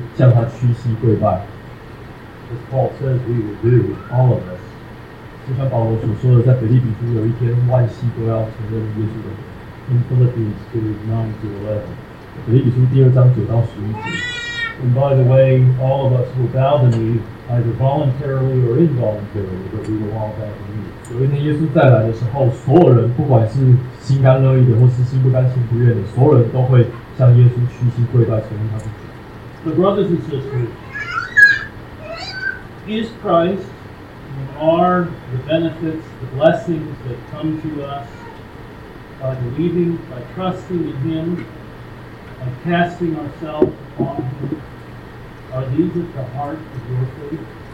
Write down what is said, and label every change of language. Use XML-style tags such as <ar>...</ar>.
<zh>我们真的信耶稣做我们的救主和生命的主，我们唯一合理的反应回应就是向他屈膝跪拜。</zh> <en>As Paul says, we will do all of us.</en> <zh>就像保罗所说的，在腓立比书有一天，万膝都要承认耶稣的。</zh> <en>In Philippians 2:9-11,</en> <zh>腓立比书第二章九到十一节。</zh> <en>And by the way, all of us will bow the knee, either voluntarily or involuntarily, but we will all bow the knee.</en> <zh>有一天耶稣再来的时候，所有人不管是心甘乐意的或是心不甘情不愿的，所有人都会向耶稣屈膝跪拜，承认他是主。</zh> <en>The brothers and sisters, is Christ and are the benefits, the blessings that come to us by believing, by trusting in Him, by casting ourselves upon Him, are these at the heart of your faith?</en>